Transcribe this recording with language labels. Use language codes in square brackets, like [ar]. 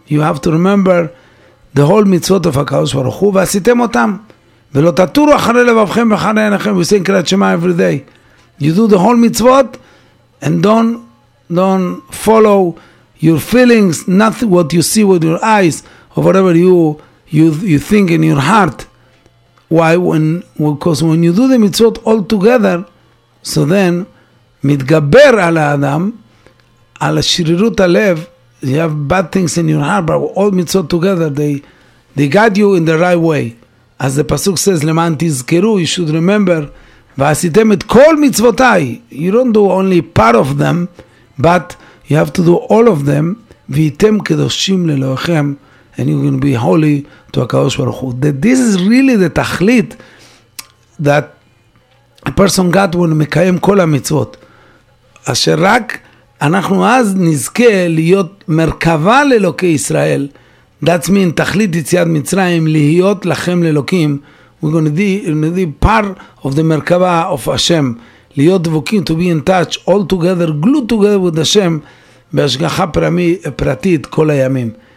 [en] You have to remember the whole מצוות of הקדוש ברוך הוא, [he] ועשיתם אותם. ולא תטורו אחרי לבבכם ואחרי עיניכם. [en] You sing קריאת שמע every day. You do the whole מצוות, and don't follow your feelings, not what you see with your eyes, or whatever you think in your heart. Why? Because when you do the מצוות all together, so then, [he] מתגבר על האדם, על השרירות הלב, [en] you have bad things in your heart, but all mitzvot together, they guide you in the right way. As the pasuk says, [he] למען תזכרו, [en] you should remember, [he] ועשיתם את כל מצוותיי. [en] You don't do only part of them, but you have to do all of them, [he] ויתם קדושים ללוחם, [en] and you're going to be holy to הקדוש ברוך הוא. This is really the תכלית that a person got when [he] מקיים כל המצוות. אשר רק אנחנו אז נזכה להיות מרכבה לאלוקי ישראל, [en] That's mean, [he] תכלית יציאת מצרים, להיות לכם ללוקים. [en] We're going to be part of the Merkabah of Hashem. [he] להיות דבוקים, [en] to be in touch, all together, glued together with Hashem, [he] בהשגחה פרטית כל הימים.